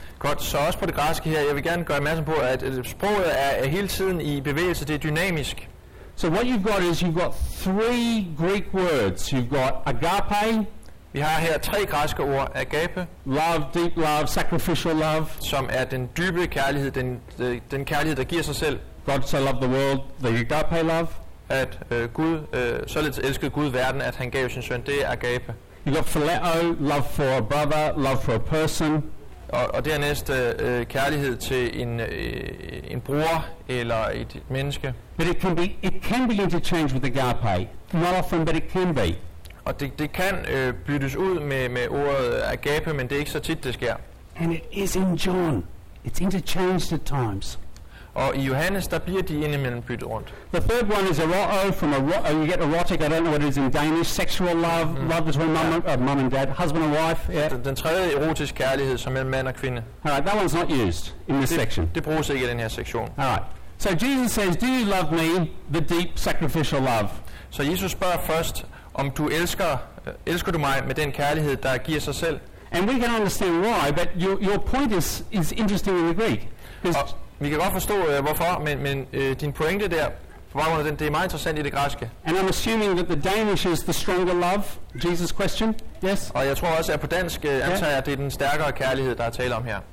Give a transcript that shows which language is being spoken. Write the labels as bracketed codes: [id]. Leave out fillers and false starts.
[da] Godt, så også på det græske her. Jeg vil gerne gøre opmærksom på, at sproget er hele tiden i bevægelse. Det er dynamisk. [en] So what you've got is you've got three Greek words. You've got agape. [da] Vi har her tre græske ord. Agape. [en] Love, deep love, sacrificial love. [da] Som er den dybe kærlighed, den kærlighed, der giver sig selv. [en] God so loved the world, the agape love. [da] At Gud, således elskede Gud verden, at han gav sin søn. Det er agape. [en] You've got phileo, love for a brother, love for a person. [da] Og dernæst kærlighed til en bror eller et menneske. [en] But it can be interchanged with agape. Not often, but it can be. [da] Og det kan byttes ud med ordet agape, men det er ikke så tit det sker. [en] And it is in John. It's interchanged at times. [da] Og i Johannes der bliver de indimellem byttet rundt. [en] The third one is eroto, you get erotic, I don't know what it is in Danish, sexual love, love between mom and dad, husband and wife. Yeah. [da] Den tredje erotisk kærlighed, som mellem mand og kvinde. [en] All right, that one's not used in this section. [da] Det bruges ikke i den her sektion. [en] All right. So Jesus says, do you love me, the deep sacrificial love? [da] Så Jesus spørger først, om du elsker du mig med den kærlighed, der giver sig selv? [en] And we can understand why, but your point is interesting in the Greek. [da] Vi kan godt forstå hvorfor, men din pointe der, for baggrund af den, det er meget interessant i det græske. [en] And I'm assuming that the Danish is the stronger love, Jesus question, yes? [da] Og jeg tror også, at på dansk antager jeg, at det er den stærkere kærlighed, der er tale om her.